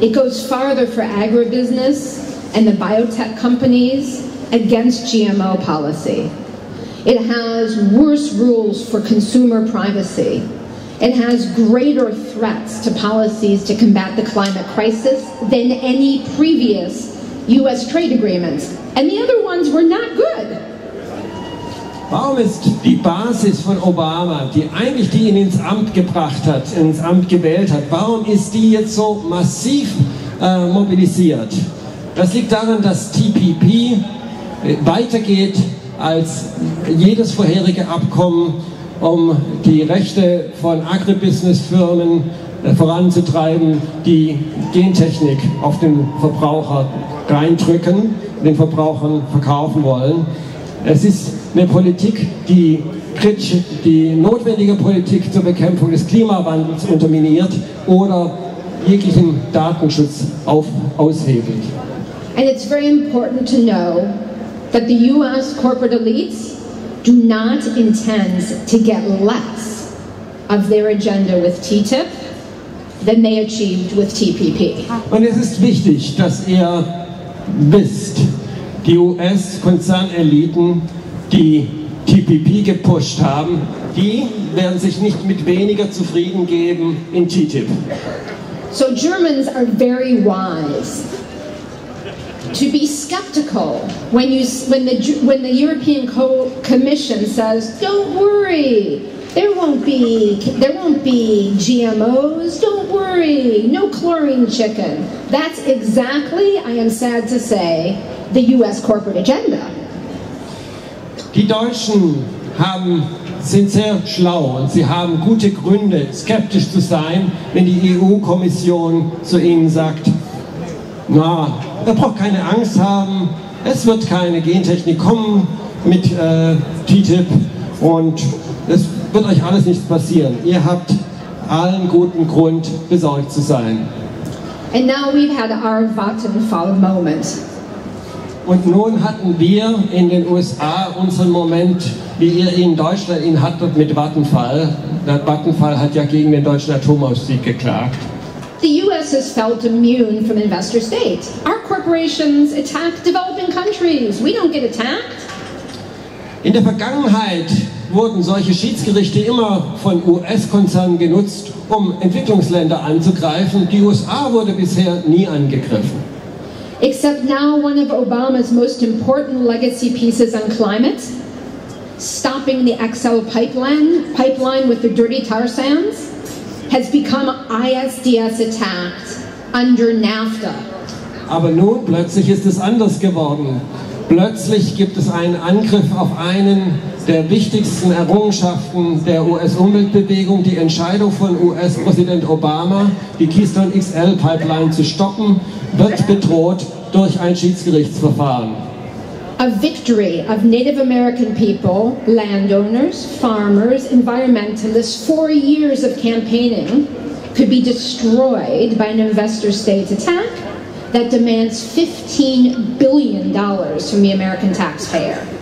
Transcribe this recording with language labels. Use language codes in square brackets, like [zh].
[en] It goes farther for agribusiness and the biotech companies against GMO policy. It has worse rules for consumer privacy. It has greater threats to policies to combat the climate crisis than any previous US trade agreements. And the other ones were not good. [de] Warum ist die Basis von Obama, die eigentlich die ihn ins Amt gebracht hat, ins Amt gewählt hat, warum ist die jetzt so massiv mobilisiert? Das liegt daran, dass TPP weitergeht als jedes vorherige Abkommen, um die Rechte von Agribusiness-Firmen voranzutreiben, die Gentechnik auf den Verbraucher reindrücken, den Verbrauchern verkaufen wollen. Es ist eine Politik, die notwendige Politik zur Bekämpfung des Klimawandels unterminiert oder jeglichen Datenschutz aushebelt. [en] And it's very important to know that the US corporate elites do not intend to get less of their agenda with TTIP than they achieved with TPP. [de] Und es ist wichtig, dass ihr wisst, die US-Konzerneliten, die TPP gepusht haben, die werden sich nicht mit weniger zufrieden geben in TTIP. [en] So Germans are very wise to be skeptical when the European Commission says, don't worry, there won't be GMOs, don't worry, no chlorine chicken. That's exactly, I am sad to say, the US corporate agenda. [de] Die Deutschen sind sehr schlau und sie haben gute Gründe, skeptisch zu sein, wenn die EU-Kommission zu ihnen sagt, na, ihr braucht keine Angst haben, es wird keine Gentechnik kommen mit TTIP und es wird euch alles nichts passieren. Ihr habt allen guten Grund, besorgt zu sein. [en] And now we've had our Vattenfall moment. [de] Und nun hatten wir in den USA unseren Moment, wie ihr ihn in Deutschland ihn hattet mit Vattenfall. Der Vattenfall hat ja gegen den deutschen Atomausstieg geklagt. [en] The US has felt immune from investor state. Our corporations attack developing countries. We don't get attacked. [de] In der Vergangenheit wurden solche Schiedsgerichte immer von US-Konzernen genutzt, um Entwicklungsländer anzugreifen. Die USA wurde bisher nie angegriffen. [en] Except now one of Obama's most important legacy pieces on climate, stopping the XL pipeline with the dirty tar sands, has become ISDS attacked under NAFTA. [de] Aber nun plötzlich ist es anders geworden. Plötzlich gibt es einen Angriff auf einen der wichtigsten Errungenschaften der US-Umweltbewegung, die Entscheidung von US-Präsident Obama, die Keystone XL-Pipeline zu stoppen, wird bedroht durch ein Schiedsgerichtsverfahren. [en] A victory of Native American people, landowners, farmers, environmentalists, 4 years of campaigning could be destroyed by an investor state attack that demands $15 billion from the American taxpayer.